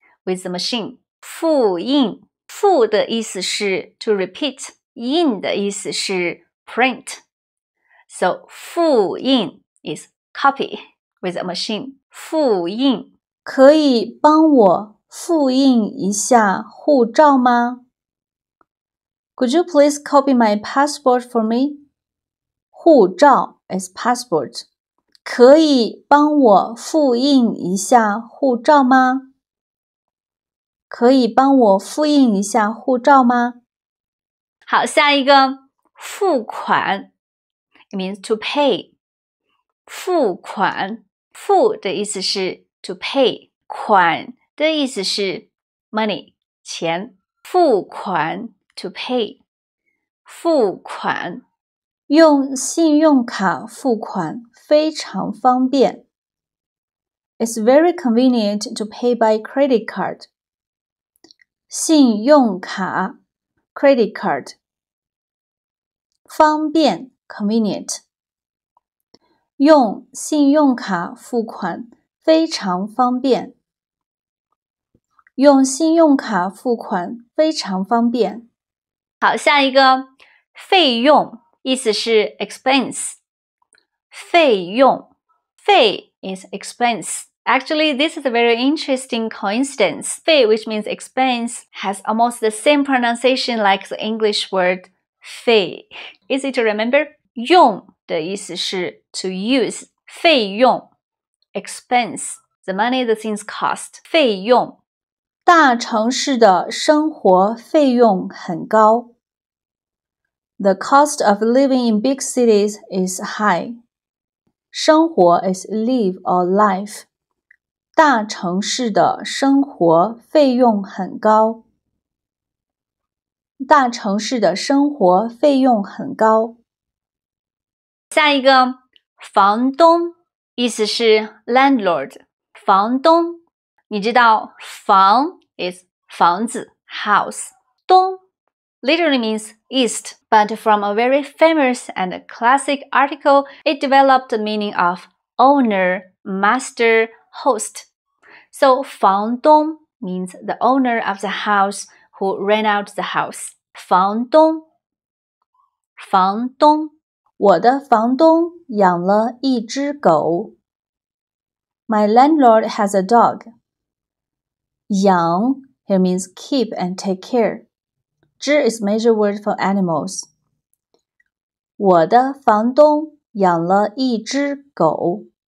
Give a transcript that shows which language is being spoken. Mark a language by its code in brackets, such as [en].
[en] With the machine, 复印。 [zh] 复的意思是 [en] to repeat, [zh] 印的意思是 [en] print. So, 复印 is copy with a machine, 复印。 [zh] 可以帮我复印一下护照吗？ [en] Could you please copy my passport for me? 护照 is passport. [zh] 可以帮我复印一下护照吗？可以帮我复印一下护照吗？好，下一个， [en] 付款 ，it means to pay。 [zh] 付款，付的意思是 [en] to pay， [zh] 款的意思是 money， 钱。 [en] 付款 to pay， 付款， [zh] 用信用卡付款非常方便。 [en] It's very convenient to pay by credit card. [zh] 信用卡 credit card， 方便 convenient， 用信用卡付款非常方便，用信用卡付款非常方便。好，下一个，费用意思是 expense， 费用，费 [en] is expense。 Actually, this is a very interesting coincidence. 费 which means expense, has almost the same pronunciation like the English word 费. Easy to remember? [zh] 用的意思是 [en] to use. 费用 expense, the money the things cost. 费用 [zh] 大城市的生活费用很高。 [en] The cost of living in big cities is high. 生活 is live or life. [zh] 大城市的生活费用很高。大城市的生活费用很高。下一个，房东意思是 [en] landlord, [zh] 房东。你知道 [en] 房 is 房子 house, 东 literally means east, but from a very famous and classic article, it developed the meaning of owner, master, host. So 房东 means the owner of the house who ran out the house. [zh] 房东房东我的房东养了一只狗。 [en] My landlord has a dog. 养 here means keep and take care. 只 is major word for animals. [zh] 我的房东养了一只狗。